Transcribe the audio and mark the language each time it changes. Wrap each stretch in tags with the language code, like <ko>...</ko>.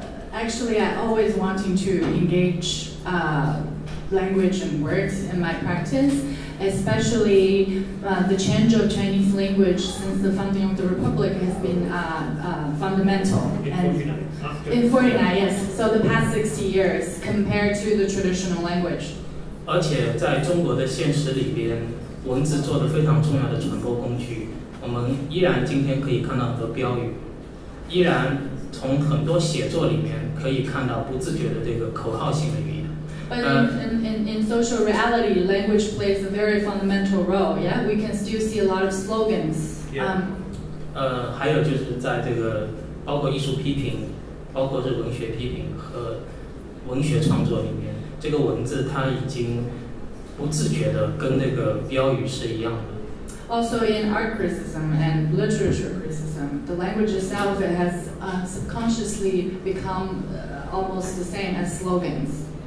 <en>Actually, I always wanting to engage language and words in my practice, especially the change of Chinese language since the founding of the Republic has been fundamental. In 49, yes. So the past 60 years compared to the traditional language.</en> <zh>而且在中国的现实里边，文字做得非常重要的传播工具。我们依然今天可以看到很多标语，依然从很多写作里面可以看到不自觉的这个口号性的语言。</zh> <en>But in social reality, language plays a very fundamental role. Yeah, we can still see a lot of slogans. Yeah.</en> <zh>还有就是在这个包括艺术批评，包括是文学批评和文学创作里面，这个文字它已经不自觉的跟那个标语是一样的。</zh> <en>Also in art criticism and literature criticism, the language itself has subconsciously become almost the same as slogans.</en>